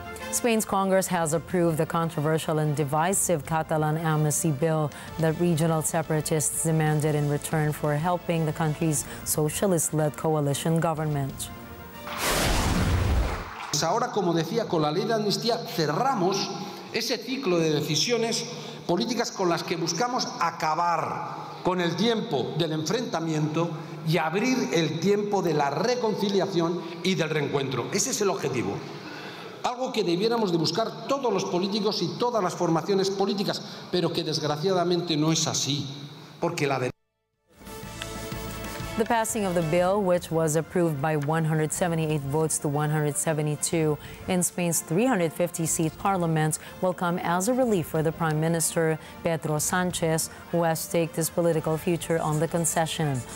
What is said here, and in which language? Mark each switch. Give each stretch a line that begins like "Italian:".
English: Spain's Congress has approved the controversial and divisive Catalan amnesty bill that regional separatists demanded in return for helping the country's socialist-led coalition government.
Spanish: Ahora, como decía, con la ley de amnistía cerramos ese ciclo de decisiones políticas con las que buscamos acabar con el tiempo del enfrentamiento y abrir el tiempo de la reconciliación y del reencuentro. Ese es el objetivo. Algo que debiéramos de buscar todos los políticos y todas las formaciones políticas, pero que desgraciadamente no es así, porque la verdad.
English: The passing of the bill, which was approved by 178 votes to 172 in Spain's 350-seat parliament, will come as a relief for the Prime Minister, Pedro Sánchez, who has staked his political future on the concession.